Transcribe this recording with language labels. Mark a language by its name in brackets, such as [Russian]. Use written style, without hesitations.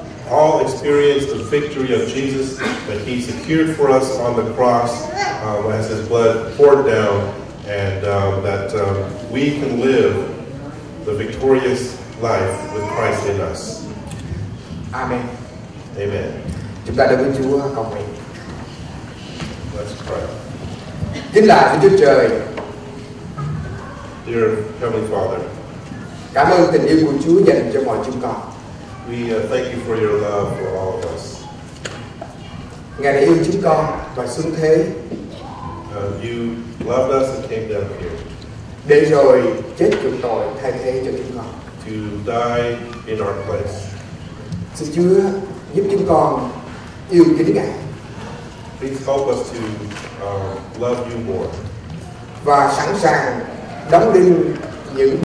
[English] All experience the victory of Jesus that He secured for us on the cross as His blood poured down, and we can live the victorious life with Christ in us. Amen. Amen. [Vietnamese] Chúng ta đã với Chúa cầu nguyện. [English] Let's pray. [Vietnamese] Kính lạy Chúa Trời. [English] Dear Heavenly Father. [Vietnamese] Cảm ơn tình yêu của Chúa dành cho mọi chúng con. [English] We thank you for your love for all of us. [Vietnamese] Ngài đã yêu chúng con và xuống thế. [English] You loved us and came down here. [Vietnamese] Để rồi chết chuộc tội thay thế cho chúng con. [English] To die in our place. [Vietnamese] Xin Chúa giúp chúng con yêu kính Ngài. [English] Please help us to love you more. [Vietnamese] Và sẵn sàng đóng đinh những